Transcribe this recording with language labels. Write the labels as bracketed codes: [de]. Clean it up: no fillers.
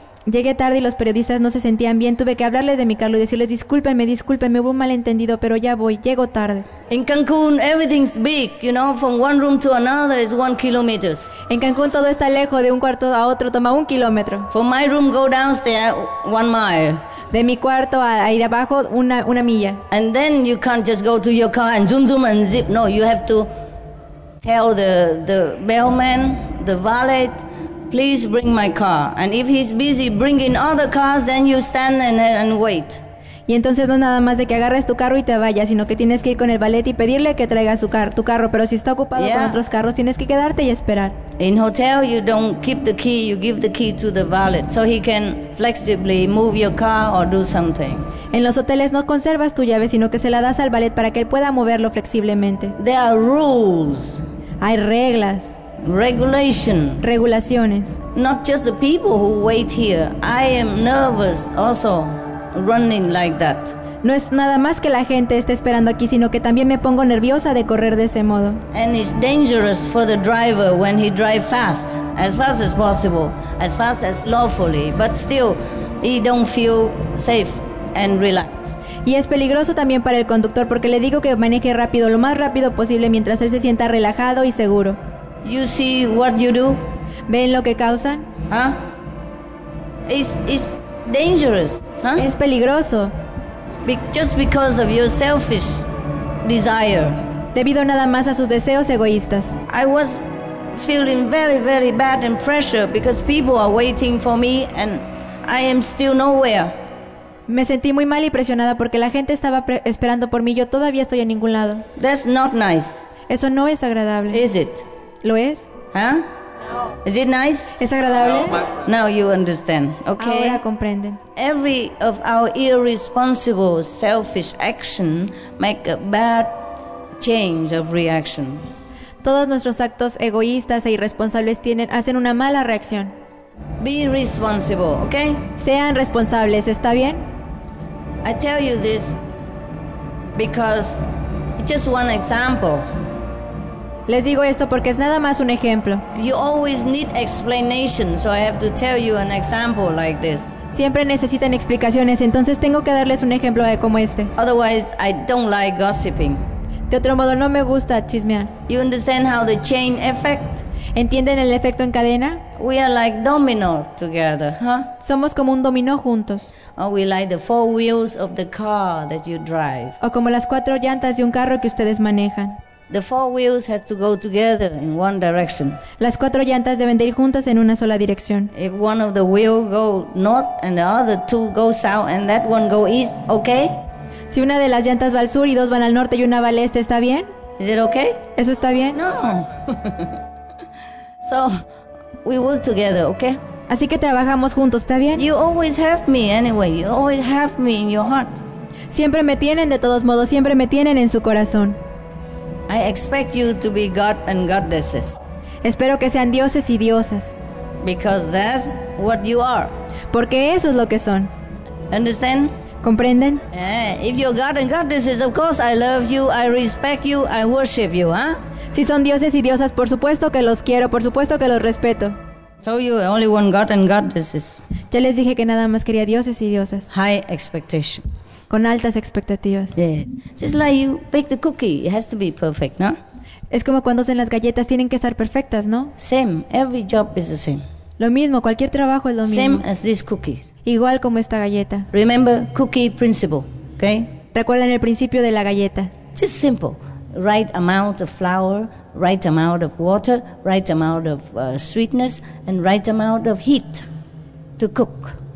[es] Llegué tarde y los periodistas no se sentían bien. Tuve que hablarles de mi carro y decirles, discúlpenme, discúlpenme, hubo un malentendido, pero ya voy, llego tarde. [en] In Cancún, everything's big, you know, from one room to another is 1 kilometer. [es] En Cancún todo está lejos, de un cuarto a otro toma 1 [en] kilometer. From my room, go downstairs, 1 mile. [es] De mi cuarto a ir abajo, una milla. [en] And then you can't just go to your car and zoom, zoom and zip. No, you have to tell the bellman, the valet, please bring my car. And if he's busy bringing other cars, then you stand and wait. [es] Y entonces no nada más de que agarres tu carro y te vayas, sino que tienes que ir con el ballet y pedirle que traiga tu carro. Pero si está ocupado, yeah, con otros carros, tienes que quedarte y esperar. [en] In hotel, you don't keep the key, you give the key to the valet, so he can flexibly move your car or do something. [es] En los hoteles no conservas tu llave, sino que se la das al ballet para que él pueda moverlo flexiblemente. [en] There are rules. [es] Hay reglas. [en] Regulation. [es] Regulaciones. [en] Not just the people who wait here. I am nervous also, running like that. [es] No es nada más que la gente esté esperando aquí, sino que también me pongo nerviosa de correr de ese modo. [en] And it's dangerous for the driver when he drives fast as possible, as fast as lawfully, but still, he don't feel safe and relaxed. [es] Y es peligroso también para el conductor porque le digo que maneje rápido, lo más rápido posible, mientras él se sienta relajado y seguro. [en] You see what you do? [es] ¿Ven lo que causan? [en] Huh? It's dangerous. Huh? [es] Es peligroso. [en] Just because of your selfish desire. [es] Debido nada más a sus deseos egoístas. [en] I was feeling very, very bad and pressure because people are waiting for me and I am still nowhere. [es] Me sentí muy mal y presionada porque la gente estaba esperando por mí. Yo todavía estoy en ningún lado. [en] That's not nice. [es] Eso no es agradable. [en] Is it? [es] ¿Lo es? [en] Huh? Is it nice? [es] ¿Es agradable? [en] Now you understand. Okay. [es] Ahora comprenden. [en] Every of our irresponsible, selfish action make a bad change of reaction. [es] Todos nuestros actos egoístas e irresponsables hacen una mala reacción. [en] Be responsible, okay? [es] Sean responsables, ¿está bien? [en] I tell you this because it's just one example. [es] Les digo esto porque es nada más un ejemplo. [en] You always need explanation, so I have to tell you an example like this. [es] Siempre necesitan explicaciones, entonces tengo que darles un ejemplo de como este. [en] Otherwise, I don't like gossiping. [es] De otro modo, no me gusta chismear. [en] You understand how the chain effect? [es] ¿Entienden el efecto en cadena? [en] We are like domino together, huh? [es] Somos como un dominó juntos. [en] Or we like the four wheels of the car that you drive. [es] O como las cuatro llantas de un carro que ustedes manejan. [en] The four wheels have to go together in one direction. [es] Las cuatro llantas deben de ir juntas en una sola dirección. [en] If one of the wheels go north and the other two go south and that one go east, okay? [es] Si una de las llantas va al sur y dos van al norte y una va al este, ¿está bien? [en] Is it okay? [es] ¿Eso está bien? [en] No. So, we work together, okay? [es] Así que trabajamos juntos, ¿está bien? [en] You always have me anyway. You always have me in your heart. [es] Siempre me tienen, de todos modos, siempre me tienen en su corazón. [en] I expect you to be God and goddesses. [es] Espero que sean dioses y diosas. [en] Because that's what you are. [es] Porque eso es lo que son. [en] Understand? [es] ¿Comprenden? [en] Yeah. If you're God and goddesses, of course I love you, I respect you, I worship you, huh? [es] Si son dioses y diosas, por supuesto que los quiero, por supuesto que los respeto. [en] So you only want God and goddesses. [es] Ya les dije que nada más quería dioses y diosas. [en] High expectation. [es] Con altas expectativas. [en] Yes. Just like you bake the cookie, it has to be perfect, no? [es] Es como cuando hacen las galletas, tienen que estar perfectas, ¿no? [en] Same. Every job is the same. [es] Lo mismo, cualquier trabajo es lo [en] same [es] mismo. [en] Same as these cookies. [es] Igual como esta galleta. [en] Remember cookie principle, okay? [es] Recuerden el principio de la galleta. [en] Just simple. Right amount of flour, right amount of water, right amount of sweetness, and right amount of heat to cook.